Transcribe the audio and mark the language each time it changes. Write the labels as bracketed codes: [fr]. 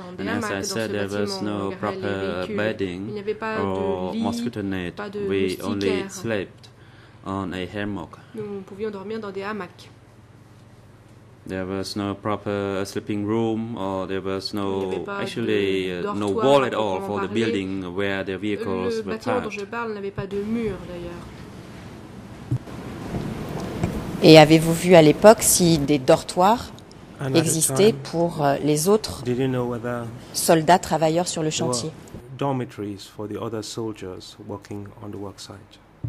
[en] And as I said, there was no proper bedding or mosquito net. We only slept on a hammock. [fr] Nous pouvions dormir dans des hamacs. [en] There was no proper sleeping room, or there was no, actually, no wall at all for the building where the vehicles were parked. [fr] Le bâtiment dont je parle n'avait pas de mur, d'ailleurs. Et avez-vous vu à l'époque si des dortoirs existaient pour les autres soldats travailleurs sur le chantier? [en] Dormitories for the other soldiers working on the worksite.